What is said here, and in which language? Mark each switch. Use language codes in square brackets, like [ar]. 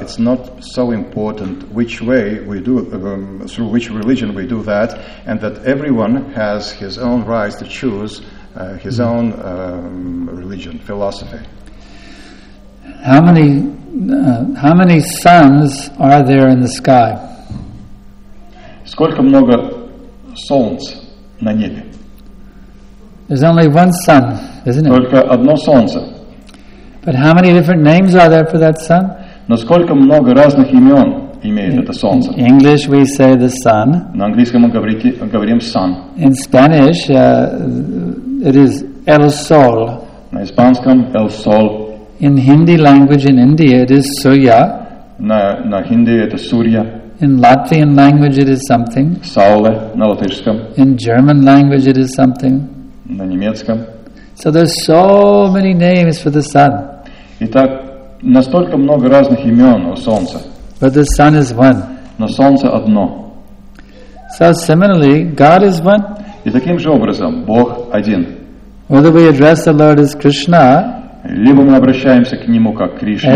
[en] It's not so important which way we do, through which religion we do that, and that everyone has his own right to choose his own religion, philosophy. How many suns are there in the sky? [ru] Сколько много солнц на небе? [en] There's only one sun, isn't it? [ru] Только одно солнце. [en] But how many different names are there for that sun? [ru] Но сколько много разных имен имеет это солнце. [en] In English we say the sun. [ru] На английском мы говорим sun. [en] In Spanish it is el sol. [ru] На испанском el sol. [en] In Hindi language in India it is surya. [ru] На хинди это сурья. [en] In Latvian language it is something. [ru] Сауле на латышском. [en] In German language it is something. [ru] На немецком. [en] So there's so many names for the sun. [ru] Итак, настолько много разных имен у солнца. [en] But the sun is one. [ru] Но солнце одно. [en] So similarly, God is one. [ru] И таким же образом, Бог один. [en] Whether we address the Lord as Krishna, [ru] либо мы обращаемся к Нему как Кришна,